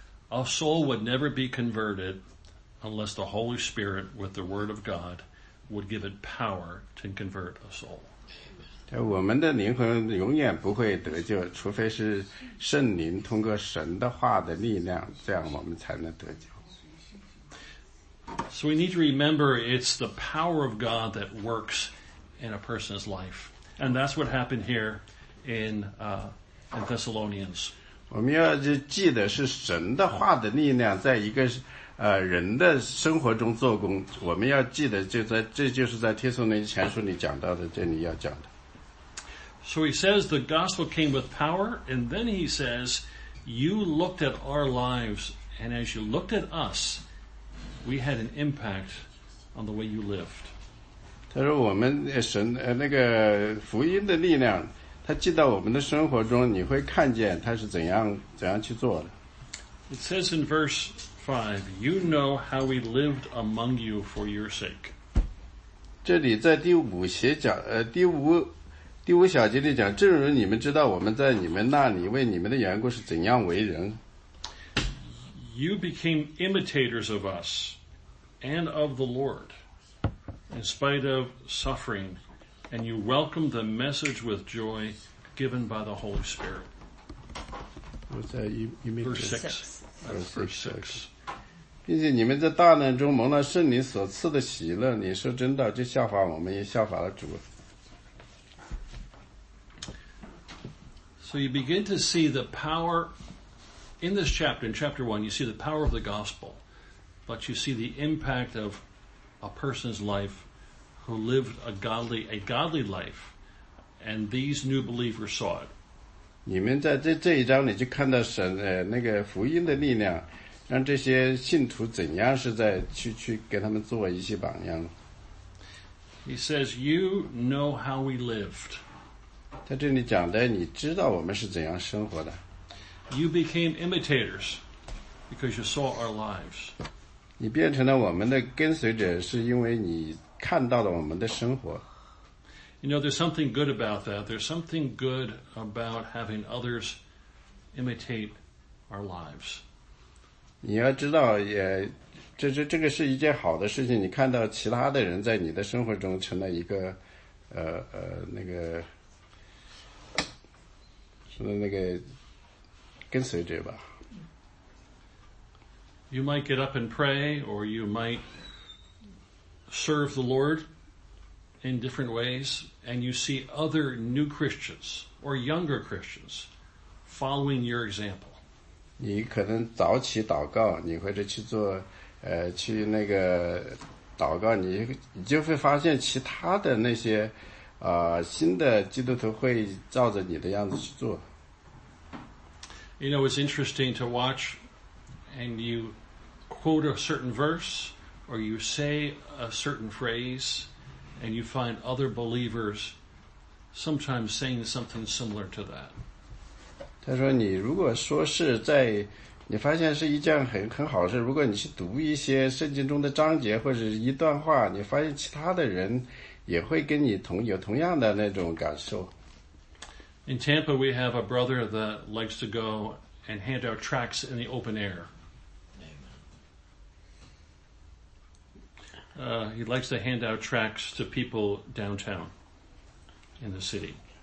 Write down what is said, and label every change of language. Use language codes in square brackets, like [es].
[en] Our soul would never be converted unless the Holy Spirit with the Word of God would give it power to convert a soul. [zh] 我们的灵魂永远不会得救，除非是圣灵通过神的话的力量，这样我们才能得救。 [en] So we need to remember it's the power of God that works in a person's life. And that's what happened here in Thessalonians. [zh] 我们要记得是神的话的力量在一个人的生活中做工，我们要记得这就是在帖撒罗尼前书里讲到的，这里要讲的。 [en] So he says the gospel came with power, and then he says, you looked at our lives, and as you looked at us, we had an impact on the way you lived. [zh] 他说我们神那个福音的力量他记到我们的生活中，你会看见他是怎样去做的。 [en] It says in verse 5, you know how we lived among you for your sake. [zh] 这里在第五小节里讲，正如你们知道我们在你们那里为你们的缘故是怎样为人。 [en] You became imitators of us and of the Lord in spite of suffering. And you welcome the message with joy given by the Holy Spirit. What's that? Verse 6. [zh] 并且你们在大难中蒙了圣灵所赐的喜乐，你说真道，就效法我们，也效法了主。 [en] So you begin to see the power in this chapter, in chapter 1, you see the power of the gospel, but you see the impact of a person's life. Who lived a godly life, and these new believers saw it. [zh] 你们在这一章里就看到神那个福音的力量，让这些信徒怎样是在去给他们做一些榜样。 [en] He says, "You know how we lived." [zh] 在这里讲的，你知道我们是怎样生活的。 [en] You became imitators because you saw our lives. [zh] 你变成了我们的跟随者，是因为你。看到了我们的生活。 [en] You know, there's something good about that. There's something good about having others imitate our lives. [zh] 你要知道，这个是一件好的事情。你看到其他的人在你的生活中成了一个，那个跟随者吧。 [en] You might get up and pray, or you might. Serve the Lord in different ways, and you see other new Christians or younger Christians following your example. [zh] 你可能早起祷告，你或者去做，去那个祷告，你就会发现其他的那些，新的基督徒会照着你的样子去做。 [en] You know, it's interesting to watch, and you quote a certain verse. Or you say a certain phrase, and you find other believers sometimes saying something similar to that. [zh] 他说你如果说是在，你发现是一件很好事，如果你去读一些圣经中的章节或者一段话，你发现其他的人也会跟你有同样的那种感受。 [en] In Tampa, we have a brother that likes to go and hand out tracts in the open air. He likes to hand out tracts to people downtown in the city.